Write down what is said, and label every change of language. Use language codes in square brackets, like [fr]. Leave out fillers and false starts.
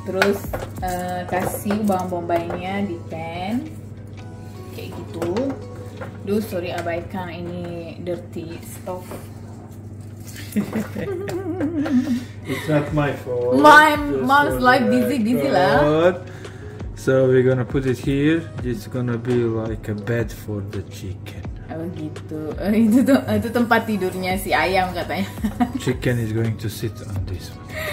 [id] Terus kasih bawang bombaynya di pan. Kayak gitu. Duh, sorry abaikan ini [en] dirty stuff. It's not my fault. My mom's like busy lah. So we're gonna put it here. It's gonna be like a bed for the chicken. [id] Oh gitu. Itu tempat tidurnya si ayam katanya. [en] Chicken is going to sit on this one.